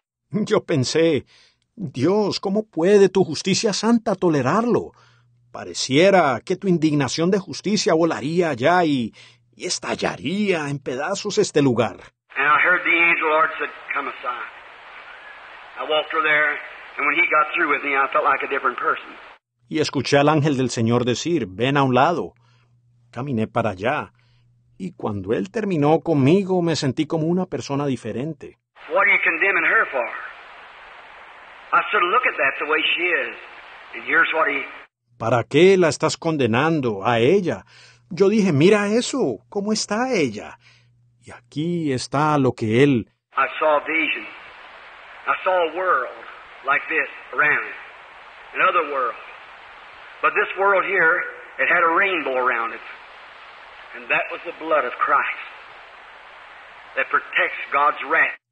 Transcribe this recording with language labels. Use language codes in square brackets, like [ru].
[es] Yo pensé, Dios, ¿cómo puede tu justicia santa tolerarlo? Pareciera que tu indignación de justicia volaría allá y estallaría en pedazos este lugar. [en] And I heard the angel Lord said, come aside. I walked through there, and when he got through with me, I felt like a different person. [es] Y escuché al ángel del Señor decir, ven a un lado. Caminé para allá. Y cuando él terminó conmigo, me sentí como una persona diferente. [en] What are you condemning her for? I said, look at that the way she is. And here's what he... [es] ¿Para qué la estás condenando a ella? Yo dije, mira eso, ¿cómo está ella? Y aquí está lo que él... [en] I saw a vision. I saw a world like this around it. Another world. But this world here, it had a rainbow around it. And that was the blood of Christ that protects God's wrath.